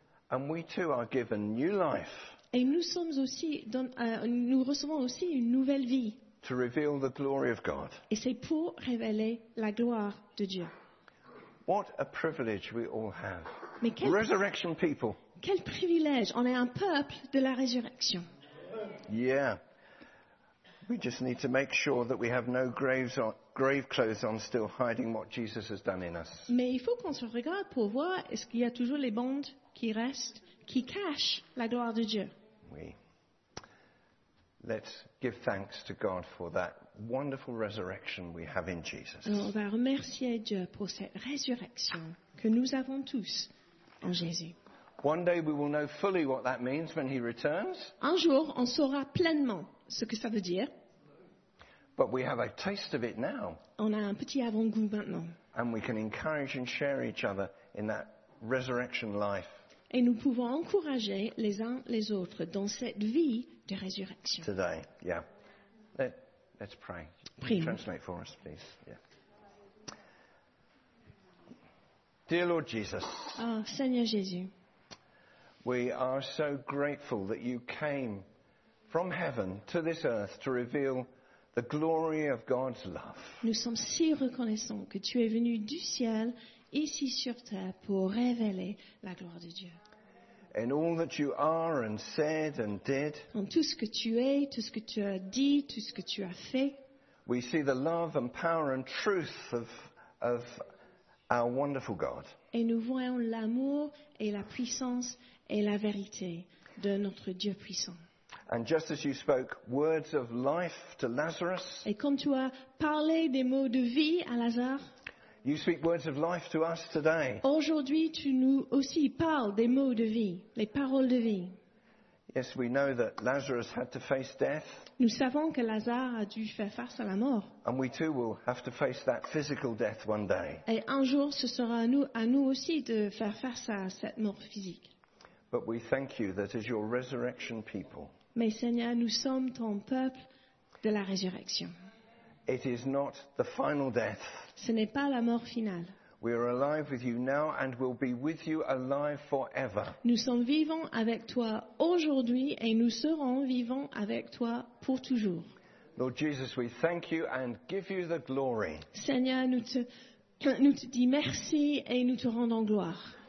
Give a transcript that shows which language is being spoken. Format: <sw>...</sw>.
<en>And we too are given new life.</en> <fr>Et nous sommes aussi, nous recevons aussi une nouvelle vie.</fr> <en>To reveal the glory of God.</en> <fr>Et c'est pour révéler la gloire de Dieu.</fr> <en>What a privilege we all have.</en> <fr>Mais quel</fr> <en>resurrection people.</en> <fr>Quel privilège, on est un peuple de la résurrection.</fr> <en>Yeah. We just need to make sure that we have no graves or grave clothes on still hiding what Jesus has done in us.</en> <fr>Mais il faut qu'on se regarde pour voir est-ce qu'il y a toujours les bandes qui restent, qui cachent la gloire de Dieu. Oui.</fr> <en>Let's give thanks to God for that wonderful resurrection we have in Jesus.</en> <fr>On va remercier Dieu pour cette résurrection que nous avons tous en Jésus.</fr> <en>One day we will know fully what that means when he returns.</en> <fr>Un jour, on saura pleinement ce que ça veut dire.</fr> <en>But we have a taste of it now.</en> <fr>On a un petit avant-goût maintenant.</fr> <en>And we can encourage and share each other in that resurrection life.</en> <fr>Et nous pouvons encourager les uns les autres dans cette vie de résurrection.</fr> <en>Today, yeah. Let's pray.</en> <fr>Prions.</fr> <en>Translate for us, please. Yeah. Dear Lord Jesus.</en> <fr>Oh, Seigneur Jésus.</fr> <en>We are so grateful that you came from heaven to this earth to reveal the glory of God's love.</en> <fr>Nous sommes si reconnaissants que tu es venu du ciel ici sur terre pour révéler la gloire de Dieu.</fr> <en>In all that you are and said and did.</en> <fr>En tout ce que tu es, tout ce que tu as dit, tout ce que tu as fait.</fr> <en>We see the love and power and truth of our wonderful God.</en> <fr>Et nous voyons l'amour et la puissance et la vérité de notre Dieu puissant.</fr> <en>And just as you spoke words of life to Lazarus,</en> <fr>et comme tu as parlé des mots de vie à Lazare,</fr> <en>you speak words of life to us today.</en> <fr>Aujourd'hui, tu nous aussi parles des mots de vie, les paroles de vie.</fr> <en>Yes, we know that Lazarus had to face death.</en> <fr>Nous savons que Lazare a dû faire face à la mort.</fr> <en>And we too will have to face that physical death one day.</en> <fr>Et un jour, ce sera à nous aussi de faire face à cette mort physique.</fr> <en>But we thank you that as your resurrection people.</en> <fr>Mais Seigneur, nous sommes ton peuple de la résurrection.</fr> <en>It is not the final death.</en> <fr>Ce n'est pas la mort finale.</fr> <en>We are alive with you now and will be with you alive forever.</en> <fr>Nous sommes vivants avec toi aujourd'hui et nous serons vivants avec toi pour toujours.</fr> <en>Lord Jesus, we thank you and give you the glory.</en> <fr>Seigneur, nous te disons merci et nous te rendons gloire.</fr>